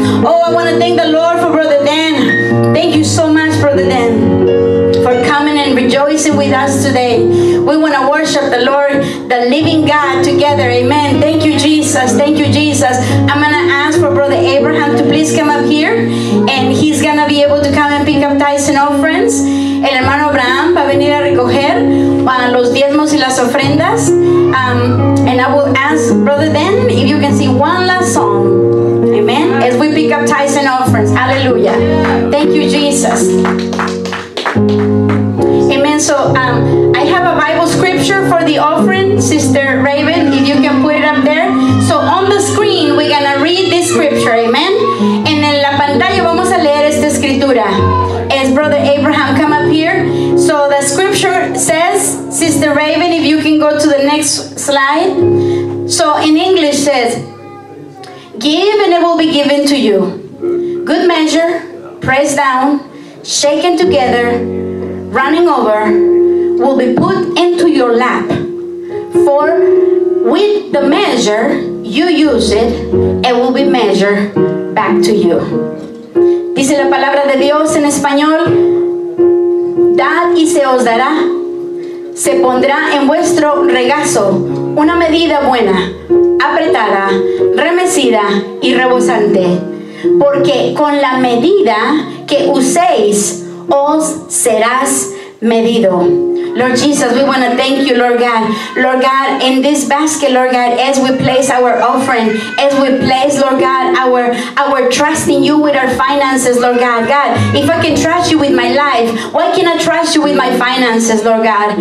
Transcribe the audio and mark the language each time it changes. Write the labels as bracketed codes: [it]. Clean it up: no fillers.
[en] Oh, I want to thank the Lord for Brother Dan. Thank you so much, Brother Dan, for coming and rejoicing with us today. We want to worship the Lord, the living God, together. Amen. Thank you, Jesus. Thank you, Jesus. I'm going to ask for Brother Abraham to please come up here, and he's going to be able to come and pick up tithes and offerings. [es] El hermano Abraham va a venir a recoger los diezmos y las ofrendas. [en] And I will ask Brother Dan if you can sing one last song. Amen. As we pick up tithes and offerings. Hallelujah. Thank you, Jesus. Amen. So I have a Bible scripture for the offering, Sister Raven, if you can put it up there. So on the screen, we're going to read this scripture. Amen. And [es] en la pantalla vamos a leer esta escritura. [en] As Brother Abraham come up here. So the scripture says, Sister Raven, if you can go to the next slide. So in English says, give and it will be given to you. Good measure, pressed down, shaken together, running over, will be put into your lap. For with the measure you use it, it will be measured back to you. [es] Dice la palabra de Dios en español, dad y se os dará, se pondrá en vuestro regazo una medida buena, apretada, remecida y rebosante, porque con la medida que uséis os serás medido. [en] Lord Jesus, we want to thank you, Lord God. Lord God, in this basket, Lord God, as we place our offering, as we place, Lord God, our trust in you with our finances, Lord God. God, if I can trust you with my life, why can't I trust you with my finances, Lord God?